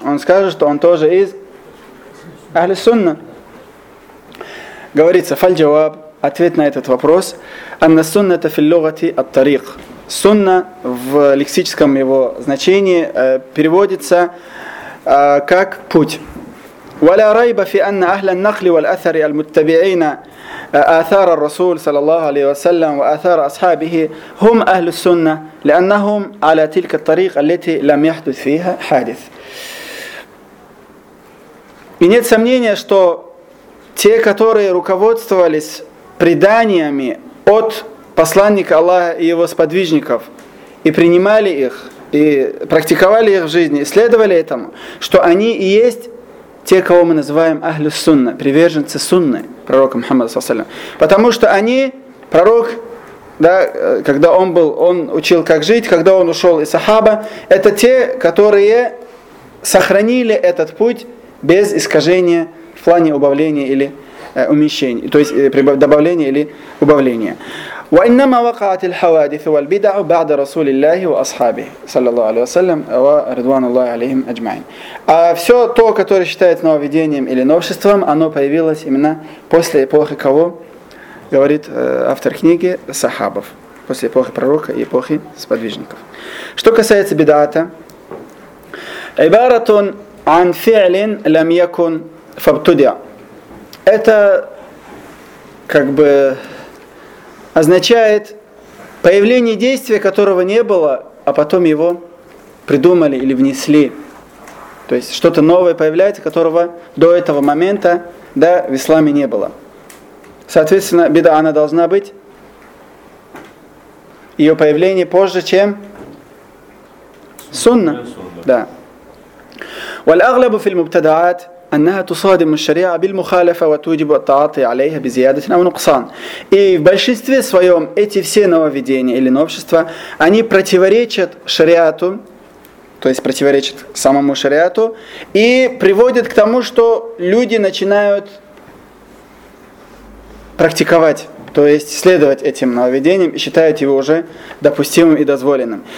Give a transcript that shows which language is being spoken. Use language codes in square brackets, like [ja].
[ru] Он скажет, что он тоже из ахли сунна. Говорится, фальджаваб, ответ на этот вопрос. Анна сунна это филлогати ат-тарих. Сунна в лексическом его значении переводится как путь. [ar] ولا ريب في أن أهل النخل والأثر المتبعين آثار الرسول صلى الله عليه وسلم وآثار أصحابه هم أهل السنة لأنهم على تلك الطريق التي لم يحدث فيها حادث. [ru] И нет сомнения, что те, которые руководствовались преданиями от посланника Аллаха и его сподвижников и принимали их и практиковали их в жизни, исследовали этому, что они и есть те, кого мы называем Ахлю Сунна, приверженцы Сунны, пророка Мухаммада, салям. Потому что они, пророк, да, когда он был, он учил, как жить, когда он ушел из Сахаба, это те, которые сохранили этот путь без искажения в плане убавления или уменьшения, то есть добавления или убавления. [ar] وإنما وقعت الحوادث والبدع بعد رسول الله وأصحابه صلى الله عليه وسلم ورضوان الله عليهم أجمعين. [ru] А все то, которое считается нововведением или новшеством, оно появилось именно после эпохи кого? Говорит автор книги сахабов, после эпохи пророка и эпохи сподвижников. Что касается бидаата, [ar] عبارة عن فعل لم يكن фабтудя. [ru] Это как бы означает появление действия, которого не было, а потом его придумали или внесли. То есть что-то новое появляется, которого до этого момента, да, в исламе не было. Соответственно, беда, она должна быть, ее появление позже, чем сунна. Да. [ar] والأغلب في المبتدعات أنها تصادم الشريعة بالمخالفة وتوجب التعاطي عليها بزيادة أو نقصان. [ru] И в большинстве своем эти все нововведения или новшества, они противоречат шариату, то есть противоречат самому шариату, и приводят к тому, что люди начинают практиковать, то есть следовать этим нововведениям и считают его уже допустимым и дозволенным.